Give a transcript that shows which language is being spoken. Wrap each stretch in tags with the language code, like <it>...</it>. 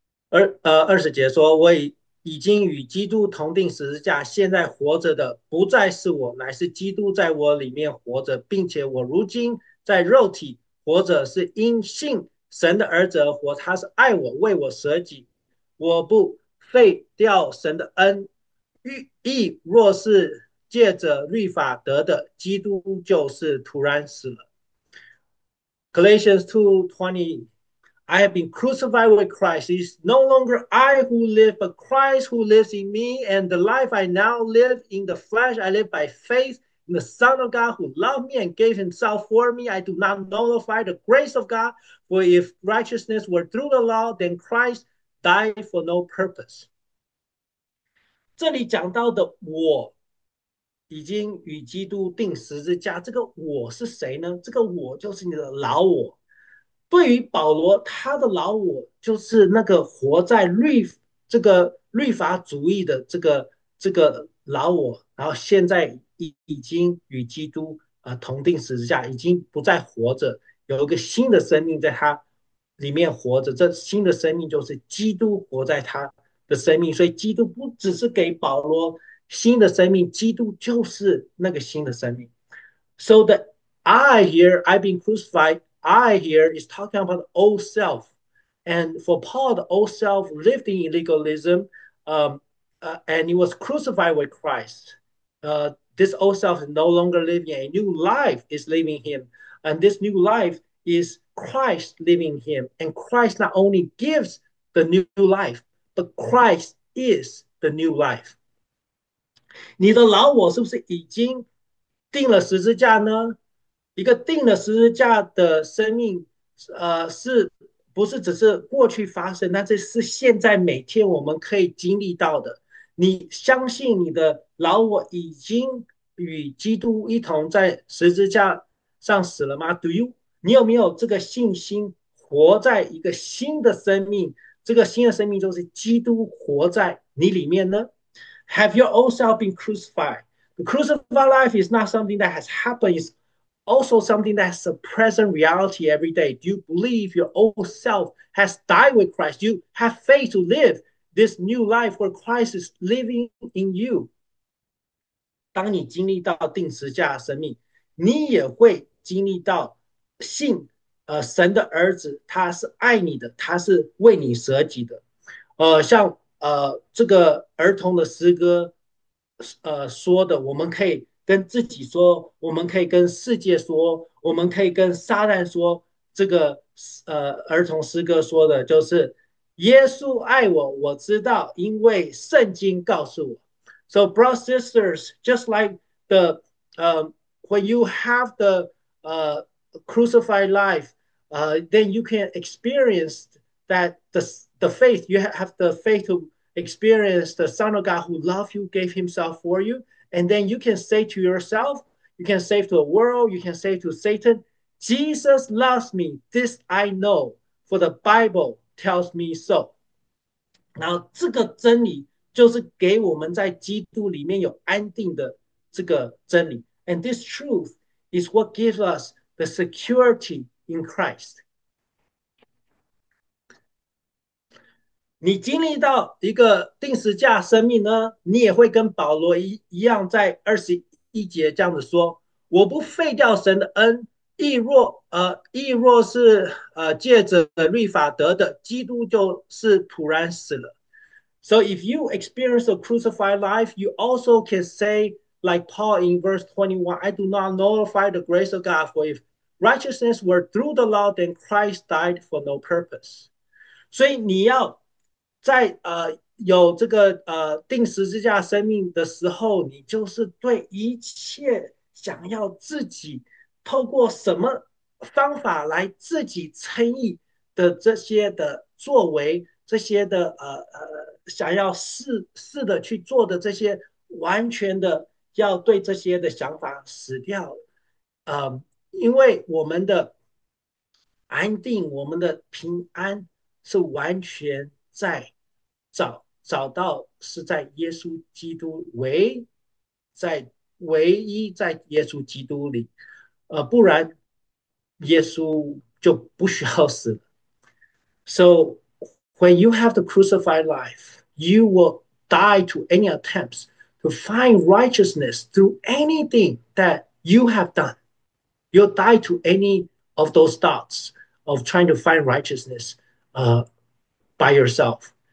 <zh>20节说，我已经与基督同钉十字架，现在活着的不再是我，乃是基督在我里面活着，并且我如今在肉体活着，是因信神的儿子而活，他是爱我，为我舍己。我不废掉神的恩，义若是借着律法得的，基督就是徒然死了。</zh> <en>Galatians 2:20。 I have been crucified with Christ. It is no longer I who live, but Christ who lives in me. And the life I now live in the flesh, I live by faith in the Son of God who loved me and gave himself for me. I do not nullify the grace of God, for if righteousness were through the law, then Christ died for no purpose.</en> <zh>这里讲到的我已经与基督钉十字架，这个我是谁呢？这个我就是你的老我。对于保罗，他的老我就是那个活在律法主义的这个老我，然后现在已经与基督同钉十字架，已经不再活着，有一个新的生命在他里面活着。这新的生命就是基督活在他的生命，所以基督不只是给保罗新的生命，基督就是那个新的生命。</zh> <en>So that I here, I've been crucified. I here is talking about the old self. And for Paul, the old self lived in legalism, and he was crucified with Christ. This old self is no longer living, a new life is living him. And this new life is Christ living him. And Christ not only gives the new life, but Christ is the new life.</en> <zh>你的老我是不是已经钉了十字架呢？一个钉了十字架的生命，是不是只是过去发生？那这是现在每天我们可以经历到的。你相信你的老我已经与基督一同在十字架上死了吗？</zh> <en>Do you？</en> <zh>你有没有这个信心，活在一个新的生命？这个新的生命就是基督活在你里面呢？</zh> <en>Have your old self been crucified? The crucified life is not something that has happened. It's also something that's a present reality every day. Do you believe your old self has died with Christ? Do you have faith to live this new life where Christ is living in you?</en> <zh>当你经历到钉十字架的生命，你也会经历到信神的儿子，他是爱你的，他是为你舍己的。像这个儿童的诗歌，说的，我们可以跟自己说，我们可以跟世界说，我们可以跟撒旦说，这个儿童诗歌说的就是耶稣爱我，我知道，因为圣经告诉我。</zh> <en>So brothers, sisters, just like the when you have the crucified life, then you can experience that the faith, you have the faith to experience the Son of God who loved you, gave himself for you, and then you can say to yourself, you can say to the world, you can say to Satan, Jesus loves me, this I know, for the Bible tells me so.</en> <zh>然后这个真理就是给我们在基督里面有安定的这个真理。</zh> <en>And this truth is what gives us the security in Christ.</en> <zh>你经历到一个钉十字架生命呢，你也会跟保罗一样，在21节这样子说：“我不废掉神的恩，亦若是借着律法得的，基督就是徒然死了。”</zh> <en>So if you experience a crucified life, you also can say, like Paul in verse 21, I do not nullify the grace of God, for if righteousness were through the law, then Christ died for no purpose.</en> <zh>所以你要在有这个钉十字架生命的时候，你就是对一切想要自己透过什么方法来自己称义的这些的作为，这些的想要试着去做的这些，完全的要对这些的想法死掉，因为我们的安定，我们的平安是完全在找到是在耶稣基督唯一在耶稣基督里，不然耶稣就不需要死了。</zh> <en>So when you have the crucified life, you will die to any attempts to find righteousness through anything that you have done. You'll die to any of those thoughts of trying to find righteousness by yourself.</en>